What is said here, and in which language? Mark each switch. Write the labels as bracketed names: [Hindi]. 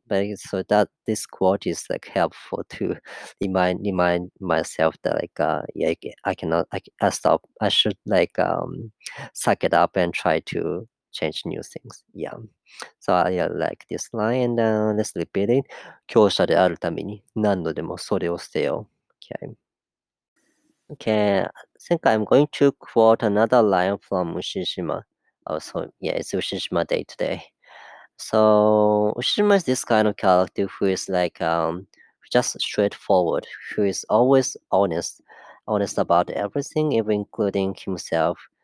[English] But so that this quote is like helpful to remind myself that like I should like suck it up and try to change new things. Yeah. So I like this line and let's repeat it. [Japanese] 強者であるために何度でもそれを捨てよう。 [English] Okay, I think I'm going to quote another line from Ushishima. Oh, so yeah, it's Ushishima Day today. So Ushishima is this kind of character who is like just straightforward, who is always honest about everything, even including himself.